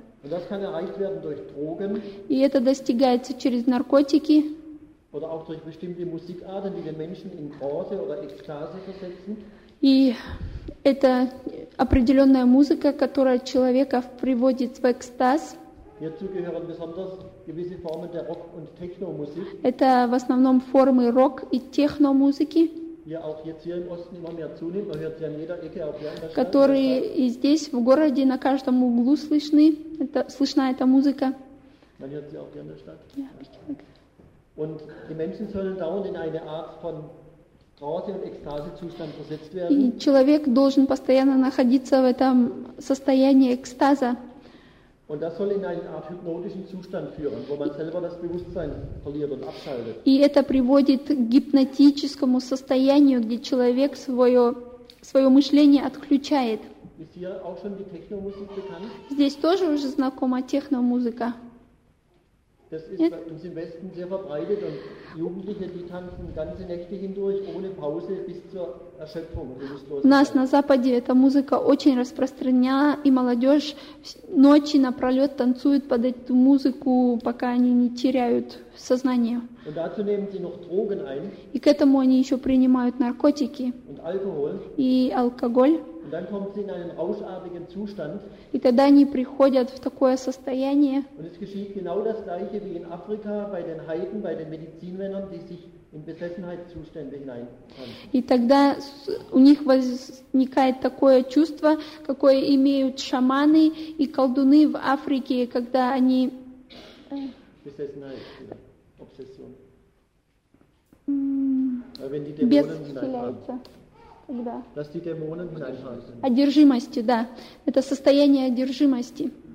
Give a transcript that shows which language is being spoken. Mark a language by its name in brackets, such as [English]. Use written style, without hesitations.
[German] Und das kann erreicht werden durch Drogen, [Russian] и это достигается через наркотики. [German] Oder auch durch bestimmte Musikarten, die den Menschen in Trance oder Ekstase versetzen. [Russian] И это определенная музыка, которая человека приводит в экстаз. [German] Hierzu gehören besonders gewisse Formen der Rock- und Techno-Musik. [Russian] Это в основном формы рок- и техно-музыки. [German] Ja, auch jetzt hier im Osten immer mehr zunimmt. Man hört sie an jeder Ecke, auch hier in der Stadt. [Russian] Которые и здесь, в городе, на каждом углу слышны, слышна эта музыка. [German] Man hört sie auch hier in der Stadt. Ja, richtig. Und die Menschen sollen dauernd in eine Art von Trance- und Ekstase-Zustand versetzt werden. [Russian] И человек должен постоянно находиться в этом состоянии экстаза. [German] Und das soll in eine Art hypnotischen Zustand führen, wo man selber das Bewusstsein verliert und abschaltet. [Russian] И это приводит к гипнотическому состоянию, где человек свое мышление отключает. [German] Ist hier auch schon die Techno-Musik bekannt? [Russian] Здесь тоже уже знакома техно-музыка. [German] Das ist uns im Westen sehr verbreitet und Jugendliche, die tanzen ganze Nächte hindurch ohne Pause bis zur Erschöpfung. [Russian] У нас на Западе эта музыка очень распространена, и молодежь ночи напролет танцует под эту музыку, пока они не теряют сознание. [German] Und dazu nehmen sie noch Drogen ein. [Russian] И к этому они еще принимают наркотики. [German] Und Alkohol. [Russian] И алкоголь. [German] Und dann kommen sie in einen rauschartigen Zustand. [Russian] И тогда они приходят в такое состояние. [German] Und es geschieht genau das gleiche wie in Afrika bei den Heiden, bei den Medizinmännern, die sich in Besessenheitszustände hinein. [Russian] И тогда у них возникает такое чувство, какое имеют шаманы и колдуны в Африке, когда они [German] Besessenheit, Obsession. Wenn die Dämonen hineinfahren. Dass die Dämonen [Russian] одержимости, да. Это состояние одержимости.